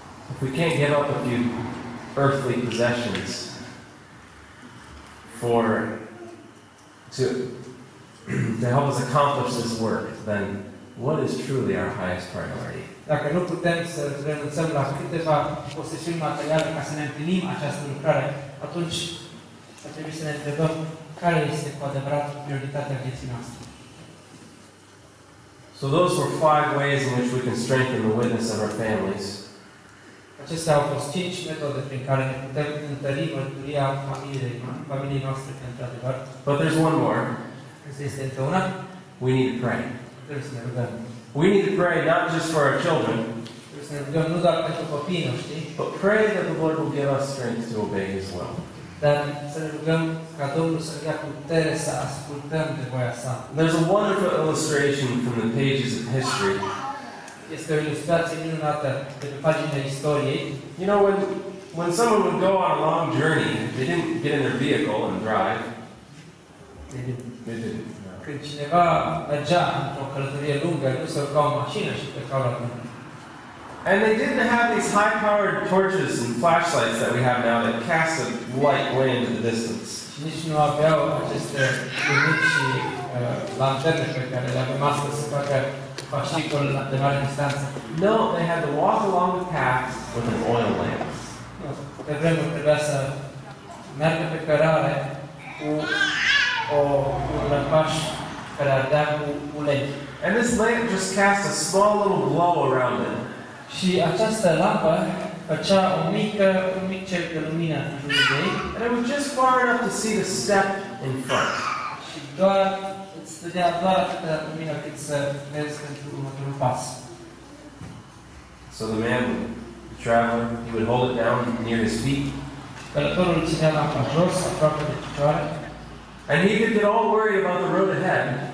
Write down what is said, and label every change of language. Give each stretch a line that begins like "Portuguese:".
English: If we can't give up a few earthly possessions to help us accomplish this work, then what is truly our highest priority?
Romanian: Dacă nu putem să renunțăm la câteva posesiuni materiale ca să ne împlinim această lucrare, atunci ar trebui să ne întrebăm care este cu adevărat prioritatea vieții noastre.
English: So those were five ways in which we can strengthen the witness of our families.
Romanian: Acestea au fost cinci metode prin care ne putem întări mărturia familiei noastre pentru adevăr.
English: But there's one more.
Romanian: Există încă una.
English: We need to pray.
Romanian: Trebuie să ne rugăm.
English: We need to pray not just for our children.
Romanian: Trebuie să ne rugăm nu doar pentru copii noștri.
English: But pray that the Lord will give us strength to obey His will.
Romanian: Dar să ne rugăm ca Domnul să ne dea putere să ascultăm de voia Sa.
English: There's a wonderful illustration from the pages of history.
Romanian: Este o ilustrație minunată de pe pagina istoriei.
English: You know, when someone would go on a long journey, they didn't get in their vehicle and drive. They didn't.
Romanian: Când cineva mergea într-o călătorie lungă, nu se urca o mașină și plecau la drum.
English: And they didn't have these high-powered torches and flashlights that we have now that cast a light way into the distance.
Romanian: Și nici nu aveau aceste lumini și lanterne pe care le avem astăzi să facă fascicul la de mare distanță.
English: No, they had to walk along the path with an oil lamp.
Romanian: Pe vremea trebuia să meargă pe cărare cu un lampaș care ardea cu ulei.
English: And this lamp just cast a small little glow around it.
Romanian: Și această lampă făcea un mic cer de lumină în jurul ei.
English: And it was just far enough to see the step in front.
Romanian: Și doar îți stădea doar atâta lumină cât să vezi pentru următorul pas.
English: So the man, the traveler, he would hold it down near his feet.
Romanian: Călătorul ținea lampa jos, aproape de picioare.
English: And he could get all worried about the road ahead.